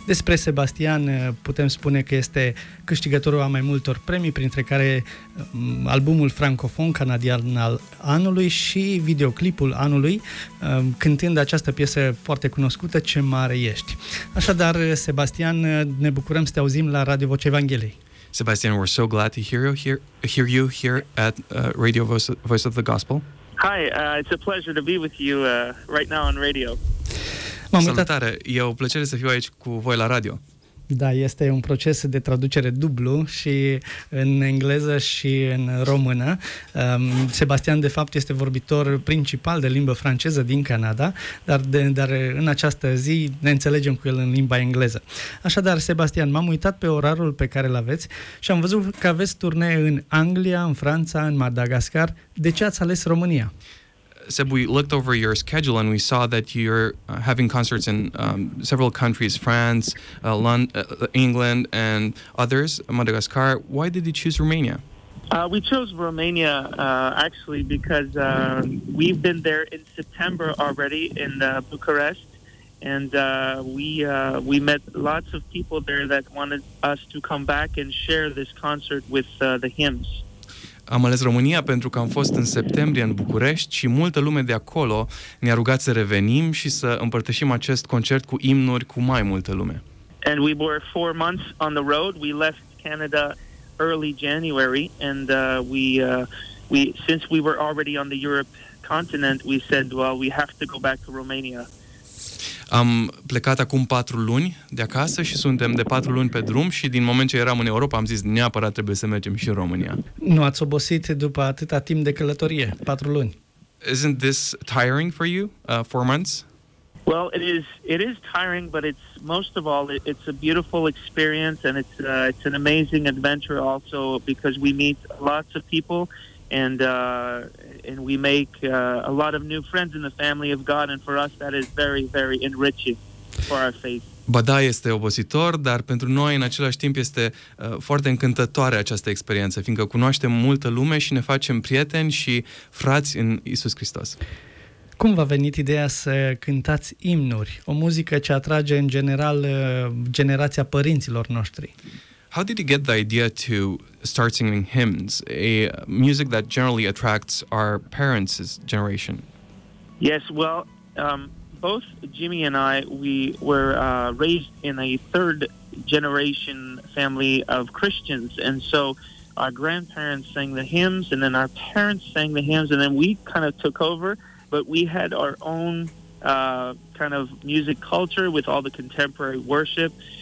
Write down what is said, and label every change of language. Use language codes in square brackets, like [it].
[ro] Despre Sebastian putem spune că este câștigătorul a mai multor premii, printre care albumul francofon canadian al anului și videoclipul anului, cântând această piesă foarte cunoscută, Ce mare ești. Așadar, Sebastian, ne bucurăm să te auzim la Radio Voce Evangheliei. [en] Sebastian, we're so glad to hear you here at Radio Voice of the Gospel. Hi, it's a pleasure to be with you right now on radio. [ro] Salutare, e o plăcere să fiu aici cu voi la radio. Da, este un proces de traducere dublu și în engleză și în română. Sebastian, de fapt, este vorbitor principal de limbă franceză din Canada, dar în această zi ne înțelegem cu el în limba engleză. Așadar, Sebastian, m-am uitat pe orarul pe care l-aveți și am văzut că aveți turnee în Anglia, în Franța, în Madagascar. De ce ați ales România? [en] Seb, we looked over your schedule and we saw that you're having concerts in several countries, France, England, and others, Madagascar. Why did you choose Romania? We chose Romania, actually, because we've been there in September already in Bucharest, and we met lots of people there that wanted us to come back and share this concert with the hymns. [ro] Am ales România pentru că am fost în septembrie în București și multă lume de acolo ne-a rugat să revenim și să împărtășim acest concert cu imnuri cu mai multă lume. [en] And we were 4 months on the road. We left Canada early January and we since we were already on the Europe continent, we said, well, we have to go back to Romania. [ro] Am plecat acum 4 luni de acasă și suntem de 4 luni pe drum și din moment ce eram în Europa am zis neapărat trebuie să mergem și în România. Nu ați obosit după atâta timp de călătorie, 4 luni? [en] Isn't this tiring for you, 4 months? Well, it is tiring, but it's most of all it's a beautiful experience and it's an amazing adventure also because we meet lots of people and we make a lot of new friends in the family of God, and for us that is very, very enriching for our faith. [ro] Ba da, este obositor, dar pentru noi în același timp este foarte încântătoare această experiență, fiindcă cunoaștem multă lume și ne facem prieteni și frați în Iisus Hristos. Cum v-a venit ideea să cântați imnuri, o muzică ce atrage în general generația părinților noștri? [en] How did you get the idea to start singing hymns, a music that generally attracts our parents' generation? Yes, well, both Jimmy and I, we were raised in a third generation family of Christians, and so our grandparents sang the hymns, and then our parents sang the hymns, and then we kind of took over, but we had our own kind of music culture with all the contemporary worship.